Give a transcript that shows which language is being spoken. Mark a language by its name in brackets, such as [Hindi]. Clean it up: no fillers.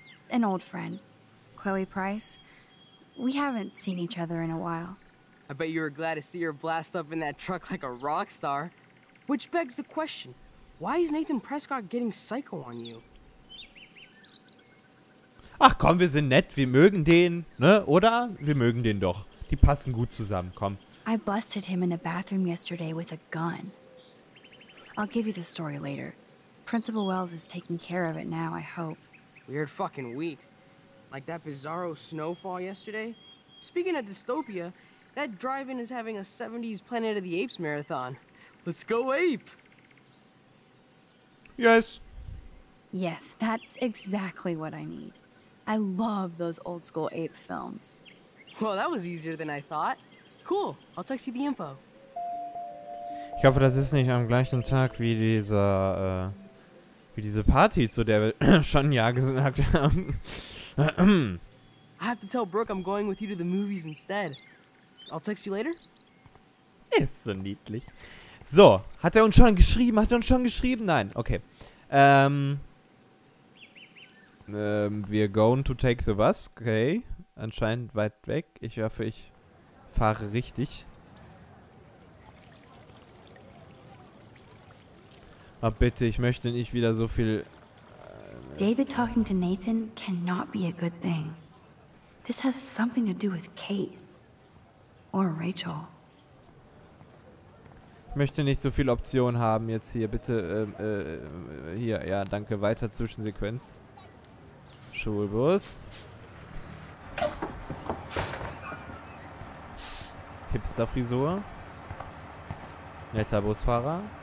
[English] An old friend. Chloe Price. We haven't seen each other in a while. I bet you were glad to see her blast up in that truck like a rock star. Which begs the question, why is Nathan Prescott getting psycho on you? [German] Ach komm, wir sind nett, wir mögen den, ne, oder? Wir mögen den doch. Die passen gut zusammen, komm. [English] I busted him in the bathroom yesterday with a gun. I'll give you the story later. Principal Wells is taking care of it now, I hope. Weird fucking week. Like that bizarro snowfall yesterday? Speaking of dystopia, that drive-in is having a 70s Planet of the Apes marathon. Let's go ape! Yes. Yes, that's exactly what I need. I love those old-school ape films. Well, that was easier than I thought. Cool, I'll text you the info. [German] Ich hoffe, das ist nicht am gleichen Tag wie diese Party, zu der wir schon ja gesagt haben. [English] I have to tell Brooke I'm going with you to the movies instead. I'll text you later. [German] Ist so niedlich. So, hat er uns schon geschrieben? Hat er uns schon geschrieben? Nein, okay. [English] We're going to take the bus, okay. [German] Anscheinend weit weg. Ich hoffe, ich fahre richtig. Oh, bitte, ich möchte nicht wieder so viel... [English] David talking to Nathan cannot be a good thing. This has something to do with Kate. Or Rachel. [German] Ich möchte nicht so viel Optionen haben jetzt hier. Bitte, hier, ja, danke. Weiter Zwischensequenz. Schulbus. Hipster-Frisur. Netter Busfahrer.